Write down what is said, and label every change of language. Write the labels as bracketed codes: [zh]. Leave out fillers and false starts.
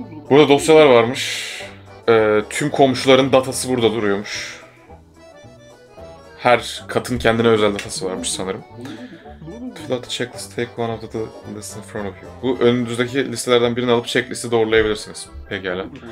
[tr] Burada dosyalar varmış. Tüm komşuların datası burada duruyormuş. Her katın kendine özel datası varmış sanırım. [en] Fill out the checklist, take one of the lists in front of you. [tr] Bu önünüzdeki listelerden birini alıp checklist'i doğrulayabilirsiniz. Pekala.